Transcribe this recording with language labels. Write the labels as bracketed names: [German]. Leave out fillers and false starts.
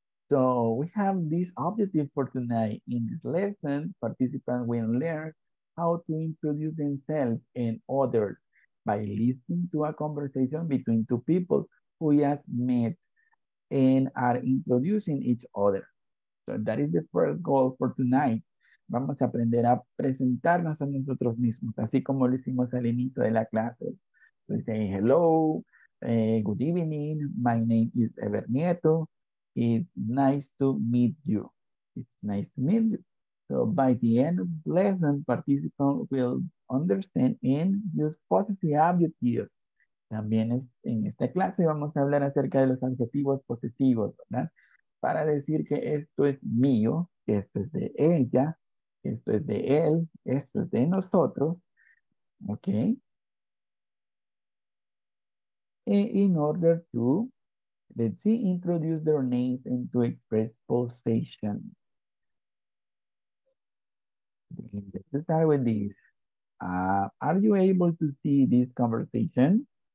[English] So we have this objective for tonight. In this lesson, participants will learn how to introduce themselves and others by listening to a conversation between two people who have met and are introducing each other. So that is the first goal for tonight. [Spanish] Vamos a aprender a presentarnos a nosotros mismos, así como lo hicimos al inicio de la clase. [English] We say hello, good evening, my name is Ever Nieto, it's nice to meet you. It's nice to meet you. So by the end of the lesson, participants will understand and use positive adjectives. [Spanish] También en esta clase vamos a hablar acerca de los adjetivos positivos, ¿verdad? Para decir que esto es mío, que esto es de ella, esto es de él, esto es de nosotros, ¿ok? [English] In order to, let's see, introduce their names and to express possession. Let's start with this. Are you able to see this conversation?